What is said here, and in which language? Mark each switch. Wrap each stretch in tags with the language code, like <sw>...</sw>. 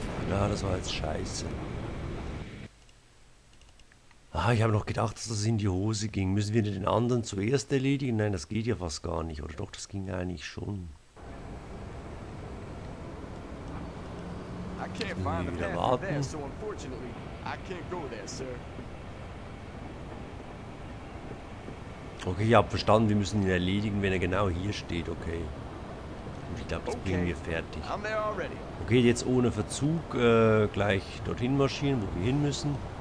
<de>Ja, das war jetzt scheiße. Ah, ich habe noch gedacht, dass das in die Hose ging. Müssen wir den anderen zuerst erledigen? Nein, das geht ja fast gar nicht. Oder doch, das ging eigentlich schon. Ich kann nicht mehr wieder warten.</de> <en>So, unfortunately, I can't go there, sir.</en> <de>Okay, ich habe verstanden, wir müssen ihn erledigen, wenn er genau hier steht, okay. Und ich glaube, das bringen wir fertig. Okay, jetzt ohne Verzug gleich dorthin marschieren, wo wir hin müssen.</de>